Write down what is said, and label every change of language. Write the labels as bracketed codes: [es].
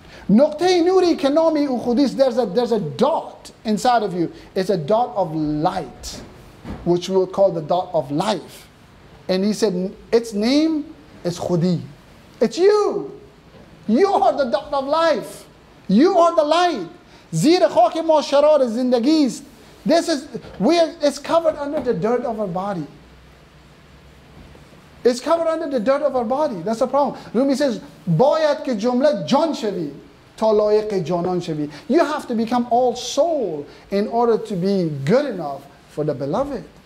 [fa] نقطه نوری که نامی او خودیس [en] there's a dot inside of you. It's a dot of light, which we would call the dot of life. And he said, its name is خودی. It's you. You are the dot of life. You are the light. [fa] زیر خاک ما شرار زندگی است. [en] It's covered under the dirt of our body. It's covered under the dirt of our body. That's the problem. Rumi says, [fa] "Boyat ke jumla jan shavi, ta layiq janan shavi." [en] You have to become all soul in order to be good enough for the beloved.